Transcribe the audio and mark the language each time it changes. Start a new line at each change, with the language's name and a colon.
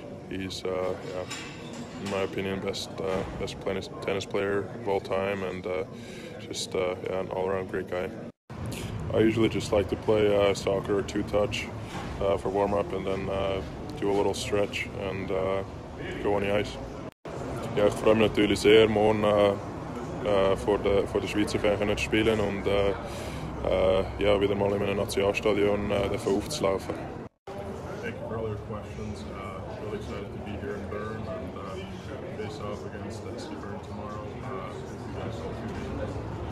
English: He's, in my opinion, best tennis player of all time, and an all-around great guy. I usually just like to play soccer or two-touch for warm-up, and then do a little stretch and go on the ice.
German: Ja, ich freue mich natürlich sehr, morgen vor der Schweizer Fähre zu spielen und wieder mal in einem Nationalstadion dafür aufzulaufen.
English: Thank you for all your questions. Really excited to be here in Bern and face off against SC Bern tomorrow. If you guys all tune in.